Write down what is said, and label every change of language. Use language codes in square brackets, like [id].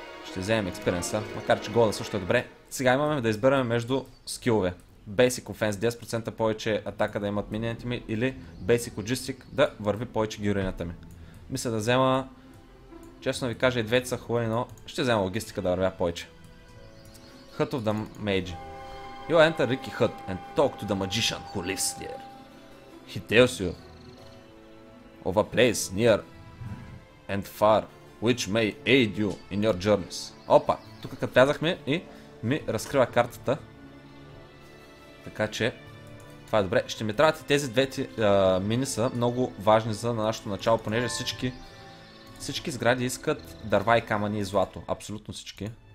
[bg] Ще вземем експириенса, макар че голда също е добре. Сега имаме да избираме между скилове. Basic Offense 10% повече атака да имат минионите ми или Basic Logistic да върви повече героинята ми. Мисля да взема... Честно ви кажа, и двете са хубави, но ще взема логистика да вървя повече. [en] Hut of the Mage. You enter Ricky Hut and talk to the magician who lives there. He tells you of a place near and far which may aid you in your journeys. [bg] Опа, тук като влязахме и ми разкрива картата. Така че това е добре. Ще ми трябват и тези двете мини са много важни за нашето начало, понеже всички сгради искат дърва и камъни и злато. Абсолютно всички.